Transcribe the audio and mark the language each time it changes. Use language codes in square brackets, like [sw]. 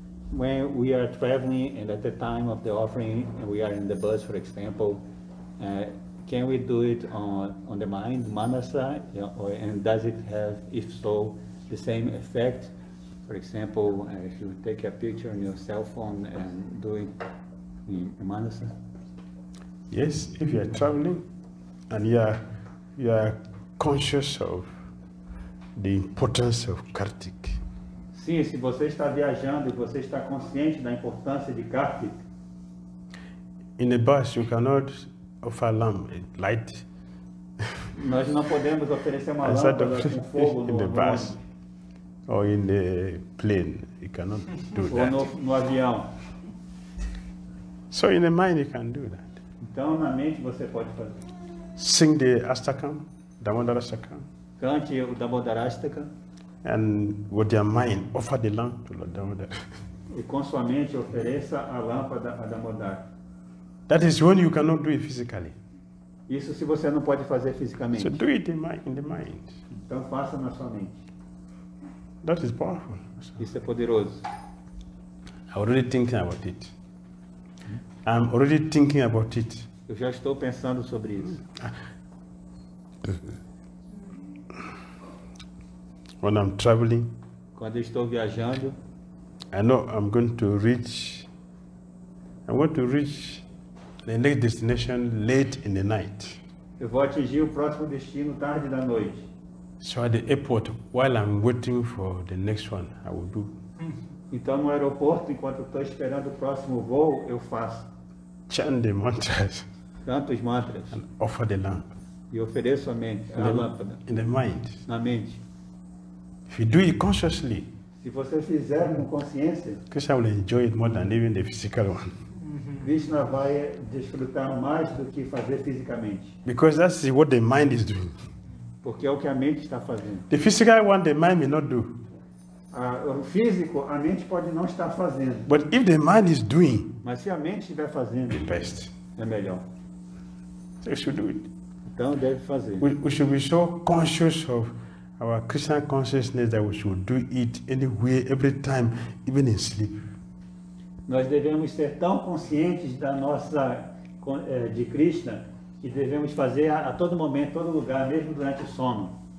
[en] When we are traveling and at the time of the offering and we are in the bus, for example, can we do it on the mind, manasa, you know, or, and does it have, if so, the same effect? For example, if you take a picture on your cell phone and do it in manasa? Yes, if you are traveling and you are conscious of the importance of Kartik. [pt] Sim, se você está viajando e você está consciente da importância de Kartik. [en] In a bus, you cannot offer lamp, light. [pt] Nós não podemos oferecer uma lâmpada com fogo [en] in the bus or in the plane, you cannot do that. [pt] Ou no avião. [en] So in the mind you can do that. [pt] Então na mente você pode fazer. [en] Sing the Astakam, Damodarashtakam. [pt] Cante o Damodarashtakam. [en] And with your mind, offer the lamp to Lord Damodara. [pt] E com sua mente ofereça a lâmpada a Damodara. [en] That is when you cannot do it physically. [pt] Isso se você não pode fazer fisicamente. [en] So do it in the mind. [pt] Então faça na sua mente. [en] That is powerful. [pt] Isso é poderoso. [en] I'm already thinking about it. [pt] Eu já estou pensando sobre isso. [en] When I'm traveling, [pt] quando eu estou viajando, [en] I know I'm going to reach the next destination late in the night. [pt] Eu vou atingir o próximo destino tarde da noite. [en] So at the airport, while I'm waiting for the next one, I will do. [pt] Então no aeroporto, enquanto eu estou esperando o próximo voo, eu faço. [en] Chant the mantras. [pt] Canto os mantras. [en] And offer the lamp. [pt] E ofereço a mente, a lâmpada. [en] In the mind. [pt] Na mente. [en] If you do it consciously, [pt] se você fizer com consciência, [en] Krishna will enjoy it more than even the physical one. [pt] Krishna vai desfrutar mais do que fazer fisicamente. [en] Because that's what the mind is doing. [pt] Porque é o que a mente está fazendo. [en] The physical one, the mind may not do. [pt] O físico, a mente pode não estar fazendo. [en] But if the mind is doing, [pt] mas se a mente estiver fazendo, [en] the best. [pt] É melhor. [en] So you should do it. [pt] Então deve fazer. [en] We should be so conscious of our Christian consciousness that we should do it anywhere, every time, even in sleep. [pt] Nós devemos ser tão conscientes da nossa de Krishna que devemos fazer a todo momento, todo lugar, mesmo durante o sono.